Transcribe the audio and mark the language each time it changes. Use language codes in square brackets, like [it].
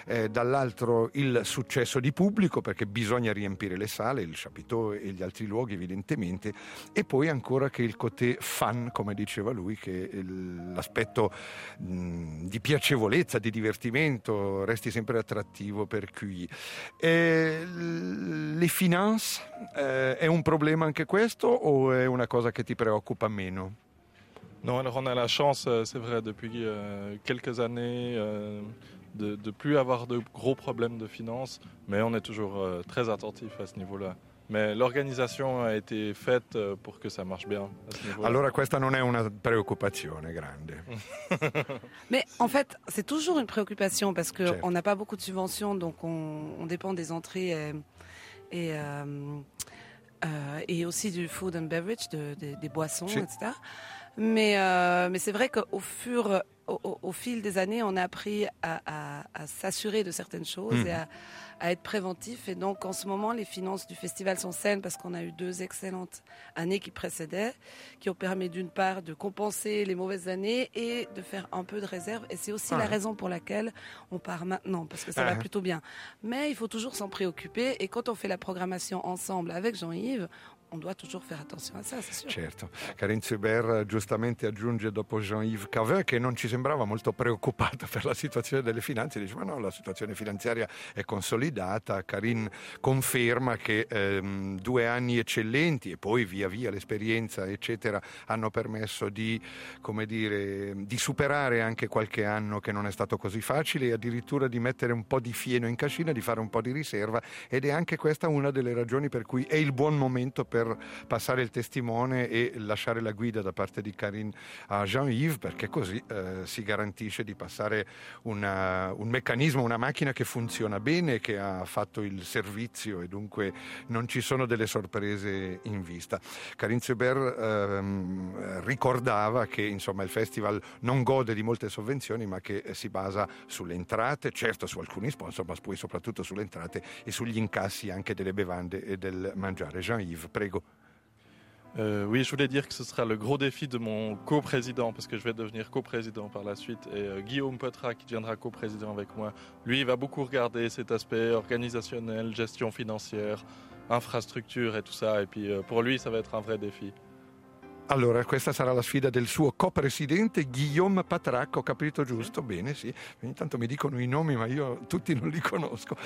[it] dall'altro il successo di pubblico, perché bisogna riempire le sale, il chapiteau e gli altri luoghi evidentemente, e poi ancora che il côté fan, come diceva lui, che l'aspetto di piacevolezza, di divertimento resti sempre attrattivo per QI. E le finance, è un problema anche questo o è una cosa che ti preoccupa meno? [fr] No, allora on a la chance, c'est vrai, depuis quelques années de plus avoir de gros problèmes de finances, mais on est toujours très attentif à ce niveau-là. Mais l'organisation a été faite pour que ça marche bien. [it] Alors, questa non è una preoccupazione grande. [fr] Mais en fait, c'est toujours une préoccupation parce qu'on n'a pas beaucoup de subventions, donc on dépend des entrées et aussi du [en] food and beverage, [fr] des boissons, etc. Mais c'est vrai qu'au fur et au fil des années, on a appris à s'assurer de certaines choses et à être préventif. Et donc, en ce moment, les finances du festival sont saines parce qu'on a eu deux excellentes années qui précédaient, qui ont permis d'une part de compenser les mauvaises années et de faire un peu de réserve. Et c'est aussi la raison pour laquelle on part maintenant, parce que ça va plutôt bien. Mais il faut toujours s'en préoccuper. Et quand on fait la programmation ensemble avec Jean-Yves, on doit toujours faire attention à ça, c'est sûr. [it] Certo. Karine Zuber giustamente aggiunge dopo Jean-Yves Cavin, che non ci sembrava molto preoccupato per la situazione delle finanze, dice ma no, la situazione finanziaria è consolidata. Karine conferma che due anni eccellenti e poi via via l'esperienza eccetera hanno permesso di, come dire, di superare anche qualche anno che non è stato così facile e addirittura di mettere un po' di fieno in cascina, di fare un po' di riserva, ed è anche questa una delle ragioni per cui è il buon momento per passare il testimone e lasciare la guida da parte di Karine a Jean-Yves, perché così si garantisce di passare un meccanismo, una macchina che funziona bene, che ha fatto il servizio e dunque non ci sono delle sorprese in vista. Karine Zuber ricordava che insomma il festival non gode di molte sovvenzioni, ma che si basa sulle entrate, certo su alcuni sponsor, ma poi soprattutto sulle entrate e sugli incassi anche delle bevande e del mangiare. Jean-Yves, prego. [fr] Oui, je voulais dire que ce sera le gros défi de mon co-président, parce que je vais devenir co-président par la suite, et Guillaume Potrat, qui deviendra co-président avec moi, lui, il va beaucoup regarder cet aspect organisationnel, gestion financière, infrastructure et tout ça, et puis pour lui, ça va être un vrai défi. [it] Allora, questa sarà la sfida del suo co-presidente Guillaume Patrac, ho capito giusto? Bene, sì. Intanto mi dicono i nomi, ma io tutti non li conosco.